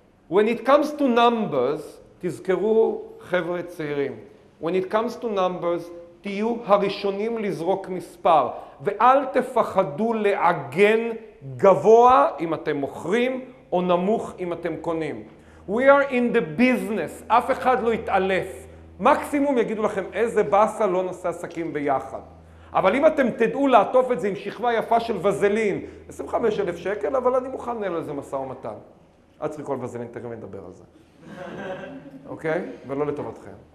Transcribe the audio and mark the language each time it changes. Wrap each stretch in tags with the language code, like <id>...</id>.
<en>When it comes to numbers,</en> <he>תזכרו חבר'ה צעירים,</he> <en>when it comes to numbers,</en> <he>תהיו הראשונים לזרוק מספר, ואל תפחדו לעגן גבוה אם אתם מוכרים, או נמוך אם אתם קונים.</he> <en>We are in the business,</en> <he>אף אחד לא יתעלף. מקסימום יגידו לכם, איזה בסה לא נעשה עסקים ביחד. אבל אם אתם תדעו לעטוף את זה עם שכבה יפה של וזלין, 25,000 שקל, אבל אני מוכן לנהל על זה מסע ומתן. אל צריך כל וזלין, תכף נדבר על זה. אוקיי? ולא לטובתכם.</he>